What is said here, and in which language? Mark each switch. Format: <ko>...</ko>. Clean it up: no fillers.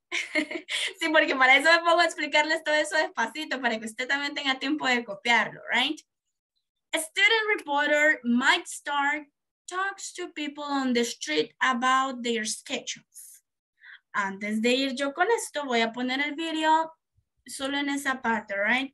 <es>Sí, porque para eso me pongo a explicarles todo eso despacito, para que usted también tenga tiempo de copiarlo,</es> <en>right? A student reporter, Mike Stark, talks to people on the street about their schedules.</en> <es>Antes de ir yo con esto, voy a poner el video solo en esa parte,</es> <en>right?</en>